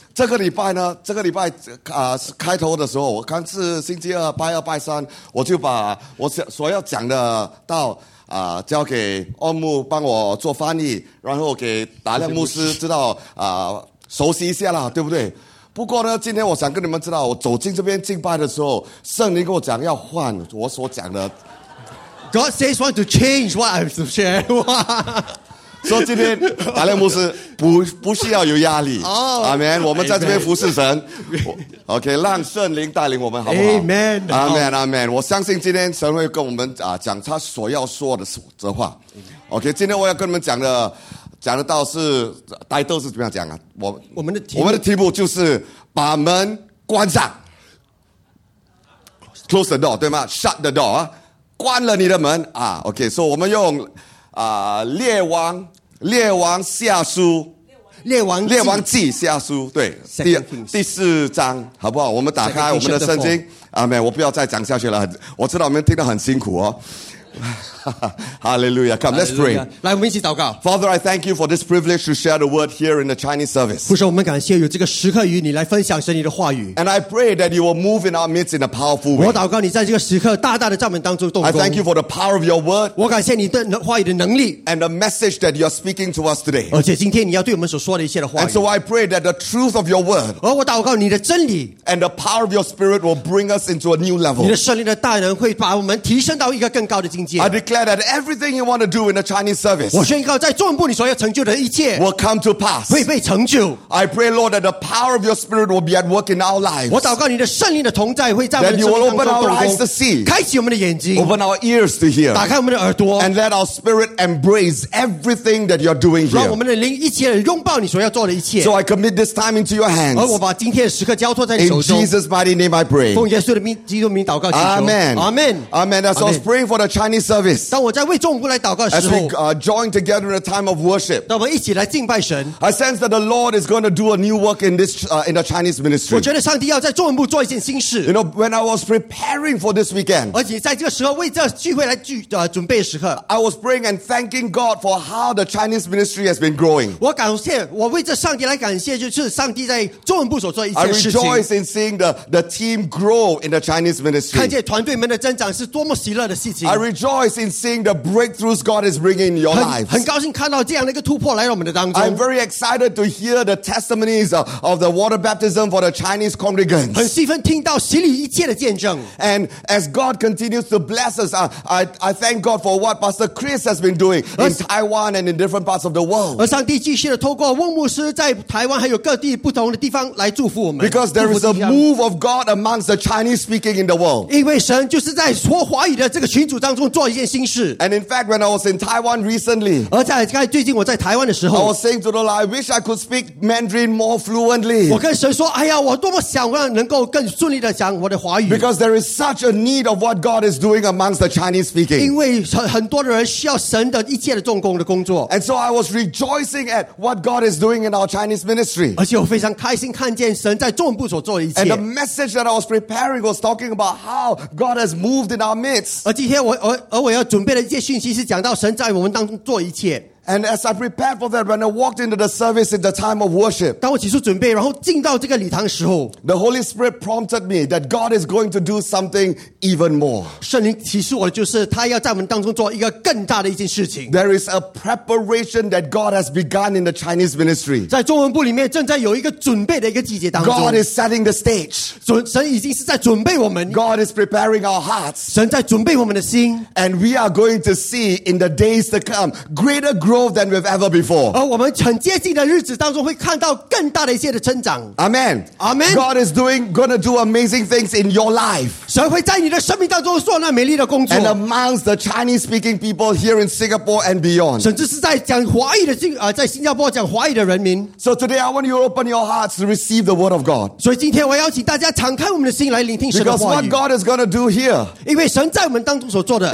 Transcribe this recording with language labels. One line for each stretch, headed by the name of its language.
Chinese: 这个礼拜开头的时候，我刚是星期二、拜二、拜三，我就把我所要讲的到交给奥牧帮我做翻译，然后给达亮牧师知道熟悉一下啦，对不对？不过呢，今天我想跟你们知道，我走进这边敬拜的时候，圣灵跟我讲要换我所讲的。
English: God says want to change what I'm to share.
Chinese: 所以今天达亮牧师不需要有压力。
English: Oh,
Chinese: Amen. 我们在这边服侍神。OK, 让圣灵带领我们好不好
English: ？Amen. Amen. Amen.
Chinese: 我相信今天神会跟我们讲他所要说的这话。 OK, 今天我要跟你们讲的到是呆豆是怎么样讲啊？我们的题目就是把门关上 ，
English: close the door
Chinese: 对吗 ？
English: Shut the door
Chinese: 啊。关了你的门啊 ，OK， 所、so、以我们用列王记下书，对，第四章，好不好？我们打开我们的圣经，阿门。我不要再讲下去了，我知道我们听得很辛苦哦。
English: Hallelujah, come, let's pray.
Chinese: 来，我们一起祷告。
English: Father, I thank you for this privilege to share the word here in the Chinese service.
Chinese: 父神，我们感谢有这个时刻与你来分享神你的话语。
English: And I pray that you will move in our midst in a powerful way.
Chinese: 我祷告你在这个时刻大大的在我们当中动工。
English: I thank you for the power of your word.
Chinese: 我感谢你的话语的能力。
English: And the message that you are speaking to us today.
Chinese: 而且今天你要对我们所说的一切的话语。
English: And so I pray that the truth of your word.
Chinese: 而我祷告你的真理。
English: And the power of your spirit will bring us into a new level.
Chinese: 你的圣灵的大能会把我们提升到一个更高的境界。
English: I declare that everything you want to do in the Chinese service
Chinese: 我宣告在中文部你所要成就的一切
English: will come to pass
Chinese: 会被成就
English: I pray Lord that the power of your spirit will be at work in our lives
Chinese: 我祷告你的圣灵的同在会在我们的生命当中
English: that you will open our eyes to see
Chinese: 开启我们的眼睛
English: open our ears to hear
Chinese: 打开我们的耳朵
English: and let our spirit embrace everything that you're doing here
Chinese: 让我们的灵一切拥抱你所要做的一切
English: so I commit this time into your hands
Chinese: 而我把今天的时刻交托在你手中
English: in Jesus' mighty name I pray
Chinese: 奉耶稣的名基督名祷告祈求
English: Amen Amen Amen as I was praying for the Chinese service
Chinese: 当我在为众人来祷告的时候
English: As we join together in a time of worship
Chinese: 让我们一起来敬拜神
English: I sense that the Lord is going to do a new work in this in the Chinese ministry
Chinese: 我觉得上帝要在众人部做一件新事
English: You know, when I was preparing for this weekend
Chinese: 而且在这个时候为这聚会来准备的时刻
English: I was praying and thanking God for how the Chinese ministry has been growing
Chinese: 我感谢我为这上帝来感谢就是上帝在众人部所做一件事情
English: I rejoice in seeing the team grow in the Chinese ministry
Chinese: 看见团队们的增长是多么喜乐的事情
English: I rejoice in seeingthe breakthroughs God is bringing in your lives.
Chinese: 很高兴看到这样的一个突破来到我们的当中。
English: I'm very excited to hear the testimonies of the water baptism for the Chinese congregants.
Chinese: 很兴奋听到洗礼一切的见证。
English: And as God continues to bless us, I thank God for what Pastor Chris has been doing in Taiwan and in different parts of the world.
Chinese: 而上帝继续的透过翁牧师在台湾还有各地不同的地方来祝福我们。
English: Because there is a move of God amongst the Chinese speaking in the world.
Chinese: 因为神就是在说华语的这个群组当中做一件新事。
English: And in fact, when I was in Taiwan recently,
Chinese: 而在最近我在台湾的时候
English: I was saying to the Lord, I wish I could speak Mandarin more fluently.
Chinese: 我跟神说，哎呀，我多么想让能够更顺利的讲我的华语。
English: Because there is such a need of what God is doing amongst the Chinese speaking.
Chinese: 因为很多的人需要神的一切的重工的工作。
English: And so I was rejoicing at what God is doing in our Chinese ministry.
Chinese: 而且我非常开心看见神在众部所做的一切。
English: And the message that I was preparing was talking about how God has moved in our midst.
Chinese: 而今天我要准备的一些讯息是讲到神在我们当中做一切。
English: And as I prepared for that, when I walked into the service in the time of worship,
Chinese: 当我起初准备，然后进到这个礼堂的时候，
English: the Holy Spirit prompted me that God is going to do something even more.
Chinese: 圣灵提示我的就是他要在我们当中做一个更大的一件事情。
English: There is a preparation that God has begun in the Chinese ministry.
Chinese: 在中文部里面正在有一个准备的一个季节当中。
English: God is setting the stage.
Chinese: 神已经是在准备我们。
English: God is preparing our hearts.
Chinese: 神在准备我们的心。
English: And we are going to see in the days to come greater growth than we've ever before.
Chinese: 而我们很接近的日子当中会看到更大的一些的成长。
English: Amen. Amen. God is gonna do amazing things in your life.
Chinese: 神会在你的生命当中做那美丽的工作。
English: And amongst the Chinese speaking people here in Singapore and beyond.
Chinese: 甚至是在讲华语的在新加坡讲华语的人民。
English: So today I want you to open your hearts to receive the word of God.
Chinese: 所以今天我邀请大家敞开我们的心来聆听神的话语。
English: Because what God is gonna do here.
Chinese: 因为神在我们当中所做的。